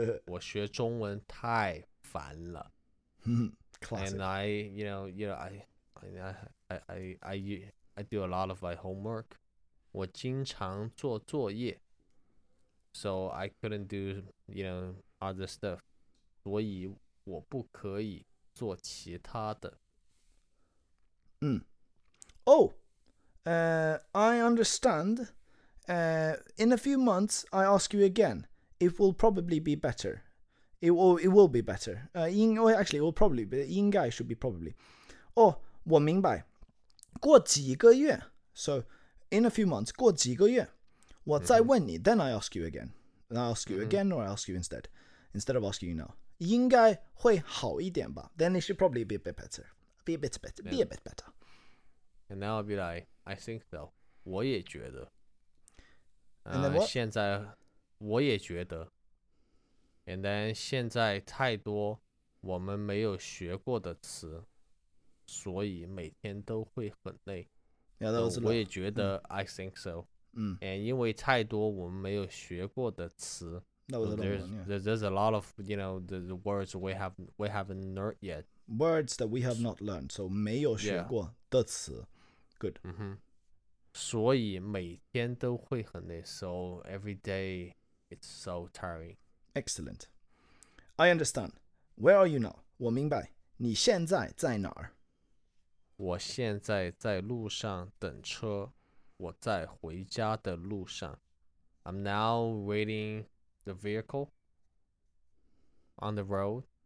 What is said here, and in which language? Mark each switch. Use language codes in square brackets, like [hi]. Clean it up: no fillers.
[zh] 我学中文太烦了. [en] Classic. And I do a lot of my homework. [zh] 我经常做作业. [en] So I couldn't do, you know, other stuff. [zh] 所以我不可以做其他的. [en] Oh! I understand. In a few months, I ask you again. It will probably be better. It will be better. Actually, it will probably be. [zh] 应该 [en] should be probably. Oh, [zh] 我明白. 过几个月. [en] So, in a few months, [zh] 过几个月.我再问你. [en] Mm-hmm. Then I ask you again. And I ask you mm-hmm. again, or I ask you instead. Instead of asking you now. [zh] 应该会好一点吧. [en] Then it should probably be a bit better. Be a bit better. Yeah. Be a bit better. And now I'll be like, I think so. [zh] 我也觉得. [en] And then what? [zh] 现在我也觉得. [en] And then [zh] 现在太多我们没有学过的词, 所以每天都会很累. [en] Yeah, that was a lot. [zh] 我也觉得, [en] I think so. [zh] And 因为太多我们没有学过的词, [en] that was a lot. There's a lot of, you know, the words we haven't learned yet. Words that we have not learned, so [zh] 没有学过的词. [en] Yeah. Good. Mm-hmm. [zh] 所以每天都会很累, [en] so every day it's so tiring. Excellent. I understand. Where are you now? [zh] 我明白. 你现在在哪儿? 我现在在路上等车, 我在回家的路上. [en] I'm now waiting the vehicle on the road.